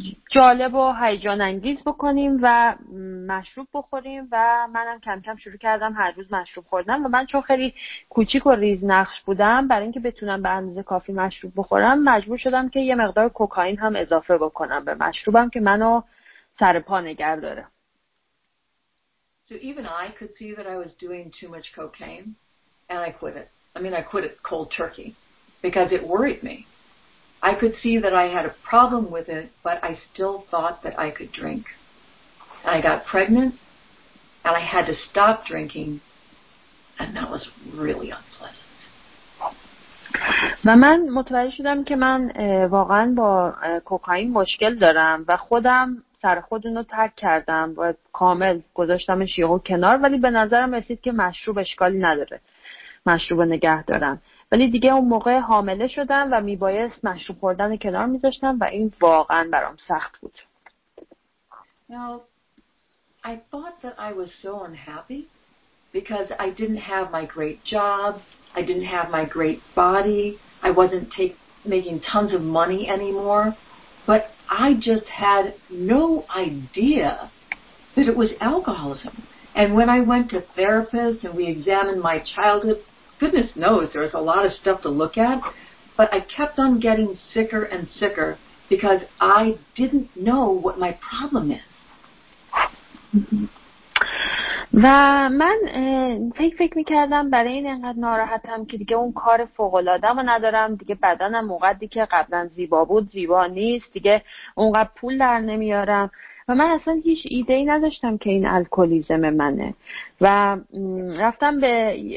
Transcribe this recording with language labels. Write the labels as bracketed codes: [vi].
[fa] جالب و هیجان انگیز بکنیم و مشروب بخوریم و منم کم کم شروع کردم هر روز مشروب خوردن و من چون خیلی کوچیک و ریز نقش بودم برای اینکه بتونم به اندازه کافی مشروب بخورم مجبور شدم که یه مقدار کوکائین هم اضافه بکنم به مشروبم که منو سرپا نگه داره. [en] So even I could see that I was doing too much cocaine, and I quit it. I mean, I quit it cold turkey because it worried me. I could see that I had a problem with it, but I still thought that I could drink. And I got pregnant, and I had to stop drinking, and that was really unpleasant. [fa] و من متوجه شدم که من واقعا با کوکائین مشکل دارم و خودم سر خودونو ترک کردم و کامل گذاشتمش یهو کنار، ولی به نظرم رسید که مشروب اشکالی نداره، مشروب نگه دارم، ولی دیگه اون موقع حامله شدم و میبایست مشروب خوردن کنار میذاشتم و این واقعا برام سخت بود. [en] Now, I thought that I was so unhappy because I didn't have my great job, I didn't have my great body, I wasn't making tons of money anymore, but I just had no idea that it was alcoholism. And when I went to therapists and we examined my childhood, goodness knows there was a lot of stuff to look at, but I kept on getting sicker and sicker because I didn't know what my problem is. [fa] و من فکر میکردم برای این انقدر ناراحتم که دیگه اون کار فوق‌العاده‌مو ندارم، دیگه بدنم اونقدری که قبلا زیبا بود زیبا نیست، دیگه اونقدر پول در نمیارم و من اصلا هیچ ایده‌ای نداشتم که این الکلیزم منه و رفتم به